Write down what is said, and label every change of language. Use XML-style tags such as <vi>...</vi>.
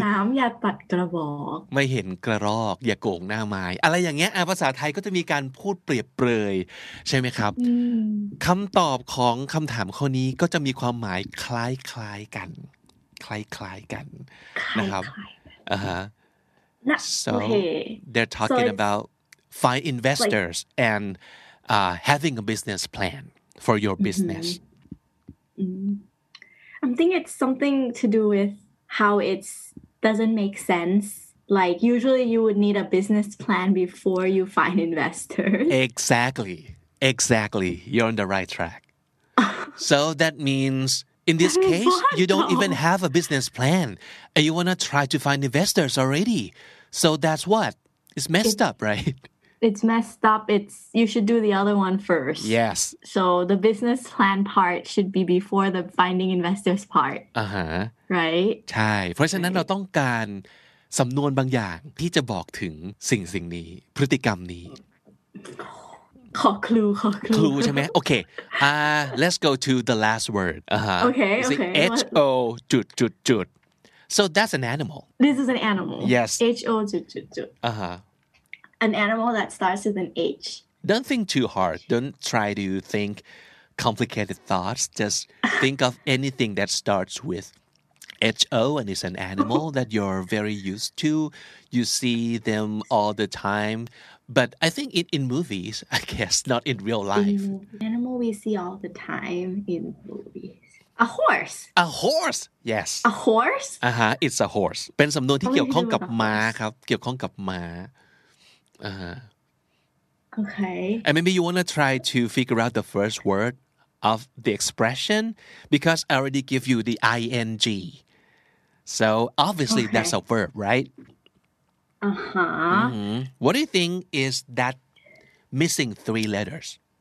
<th>ไม่เห็นน้ำอย่าตัดกระบอก ไม่เห็นกระรอกอย่าโกงนางไม้อะไรอย่างเงี้ยภาษาไทยก็จะมีการพูดเปรียบเปรยใช่ไหมครับคำตอบของคำถามข้อนี้ก็จะมีความหมายคล้ายๆกันคล้ายๆกันนะครับ</th> <en>So they're talking about find investors like, and having a business plan for your business. I'm thinking it's something to do with how it doesn't make sense. Like usually you would need a business plan before you find investors. Exactly. Exactly. You're on the right track. So that means... In this case, you don't even have a business plan, and you want to try to find investors already. So that's what? It's messed up, right? It's messed up. You should do the other one first. Yes. So the business plan part should be before the finding investors part. Uh-huh. Right?</en> <th>ใช่ เพราะฉะนั้นเราต้องการสำนวนบางอย่างที่จะบอกถึงสิ่งนี้พฤติกรรมนี้ขอคลู ใช่ไหมโอเค</th> <en>let's go to the last word okay H O dot dot dot so that's an animal this is an animal yes H O dot dot dot an animal that starts with an H don't think too hard don't try to think complicated thoughts just think of anything that starts with H O and it's an animal that you're very used to you see them all the timeBut I think in movies, I guess, not in real life. Animal we see all the time in movies. A horse. A horse, yes. A horse? Uh-huh, it's a horse.</en> <th>เป็นสำนวนที่เกี่ยวข้องกับม้าครับ เกี่ยวข้องกับม้า</th> <en>Okay. And maybe you want to try to figure out the first word of the expression because I already give you the ing. So obviously okay. that's a verb, right? Uh-huh. Mm-hmm. What do you think is that missing three letters?</en>